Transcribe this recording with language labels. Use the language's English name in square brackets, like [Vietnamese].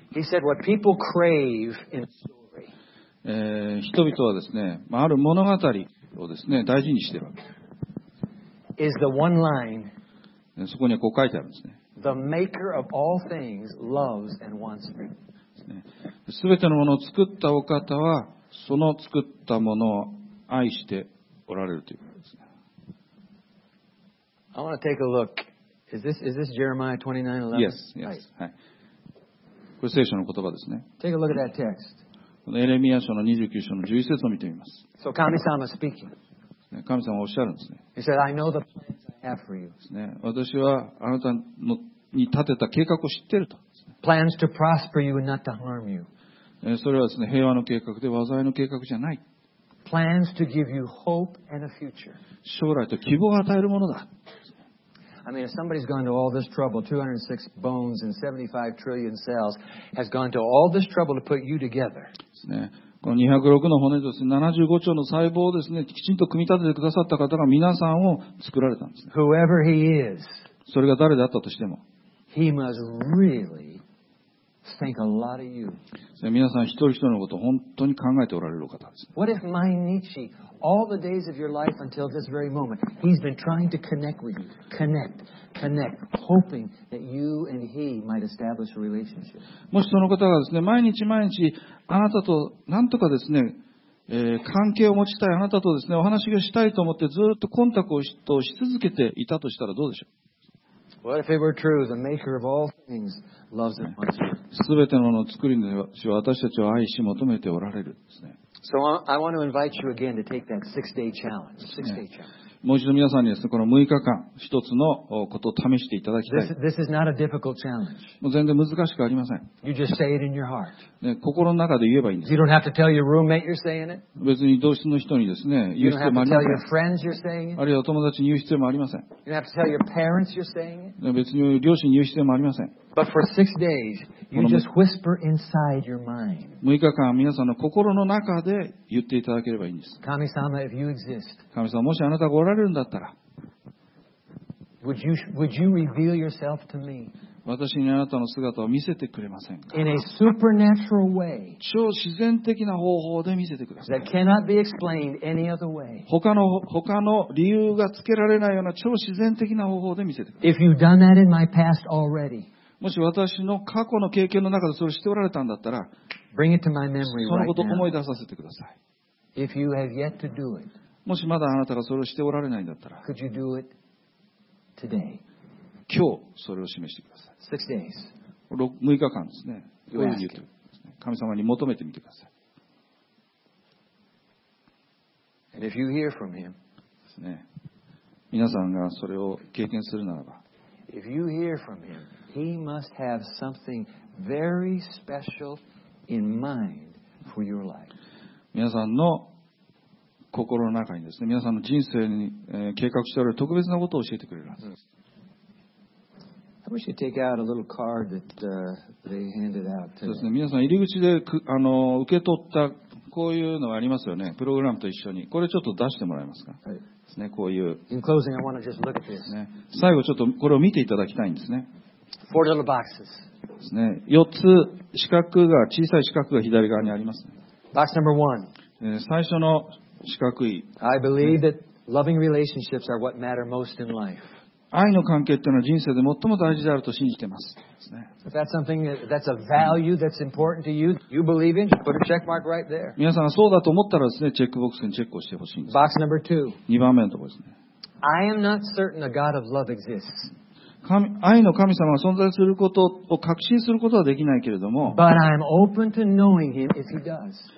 [English] He said, what people crave in a story. [Japanese] 人々はですね、ある物語をですね、大事にしてるわけです。 [English] Is the one line. [Japanese] そこにはこう書いてあるんですね。 [English] The maker of all things loves and wants me. [Japanese] ですね。すべてのものを作ったお方は、その作ったものを愛しておられるということですね。 [English] I want to take a look. Is this Jeremiah 29:11? Yes, yes.、 [Japanese] はい、これ聖書の言葉ですね。 [English] Take a look at that text. [Japanese] このエレミア書の29章の11節を見てみます。 [English] So, 神様 is speaking. [Japanese] 神様はおっしゃるんですね。 [English] He said, I know the plans I have for you. [Japanese] ですね。私はあなたに立てた計画を知っていると。 [English] Plans to prosper you and not to harm you. [Japanese] それはですね、平和の計画で災いの計画じゃない。 [English] Plans to give you hope and a future. [Japanese] 将来と希望を与えるものだ。 [English] I mean, if somebody's gone to all this trouble, 206 bones and 75 trillion cells, has gone to all this trouble to put you together. [Japanese] ですね。この206の骨とですね、75兆の細胞をですね、きちんと組み立ててくださった方が皆さんを作られたんです、ね。 [English] Whoever he is, [Japanese] それが誰であったとしても、 [English] he must really think a lot of you. [Japanese] ですね、皆さん一人一人のことを本当に考えておられる方です。 [English] What if my Nietzsche? All the days of your life until this very moment, he's been trying to connect with you, connect, hoping that you and he might establish a relationship. [Japanese] もしその方がですね、毎日毎日あなたとなんとかですね、関係を持ちたい、あなたとですね、お話がしたいと思ってずっとコンタクトをし続けていたとしたらどうでしょう。 [English] What if it were true, the maker of all things loves and wants you. [Japanese] すべてのものを作り主は私たちを愛し求めておられるんですね。 [English] So I want to invite you again to take that six-day challenge. Six-day challenge. [Japanese] もう一度皆さんにですね、この6日間一つのことを試していただきたい。 [English] This is not a difficult challenge. [Japanese] もう全然難しくありません。 [English] You just say it in your heart. [Japanese] ね、心の中で言えばいいんです。 [English] You don't have to tell your roommate you're saying it. [Japanese] 別に同室の人にですね、言う必要もありません。 [English] You don't have to tell your friends you're saying it. [Japanese] あるいは友達に言う必要もありません。 [English] You don't have to tell your parents you're saying it. [Japanese] 別に両親に言う必要もありません。 [English] But for six days, you just whisper inside your mind. [Japanese] 6日間皆さんの心の中で言っていただければいいんです。 [English] 神様、if you exist, [Japanese] 神様、もしあなたがおられるんだったら、私にあなたの姿を見せてくれませんか。 [English] In a supernatural way, [Japanese] 超自然的な方法で見せてください。 [English] That cannot be explained any other way. [Japanese] 他の理由がつけられないような超自然的な方法で見せてください。 [English] If you've done that in my past already, [Japanese] もし私の過去の経験の中でそれをしておられたんだったら、 [English] Bring it to my memory [Japanese] そのことを思い出させてください。 [English] If you have yet to do it, [Japanese] もしまだあなたがそれをしておられないんだったら、 [English] Could you do it today? [Japanese] 今日それを示してください。 6日間ですね。どういうふうに言ってる。神様に求めてみてください。 [English] And if you hear from him, [Japanese] ですね。皆さんがそれを経験するならば、 [English] If you hear from him, he must have something very special in mind for your life. [Japanese] 皆さんの心の中にですね、皆さんの人生に計画してある特別なことを教えてくれるはずです。 I wish you take out a little card that they handed out today. そうですね。皆さん入り口で受け取ったこういうのがありますよね。プログラムと一緒に。これちょっと出してもらえますか。はい。ですね。こういう。 [English] In closing, I want to just look at this. [Japanese] ね。最後ちょっとこれを見ていただきたいんですね。 [English] Four little boxes. [Japanese] ですね。四つ四角が小さい四角が左側にありますね。 [English] Box number one. [Japanese] 最初の四角い。 [English] I believe that loving relationships are what matter most in life. [Japanese] 愛の関係というのは人生で最も大事であると信じています。皆さんがそうだと思ったらですね、チェックボックスにチェックをしてほしいんです。 [English] Box number two. [Japanese] 2番目のところですね。 [English] I am not certain a God of love exists. [Japanese] 愛の神様が存在することを確信することはできないけれども、 [English] But I am open to knowing him if he does.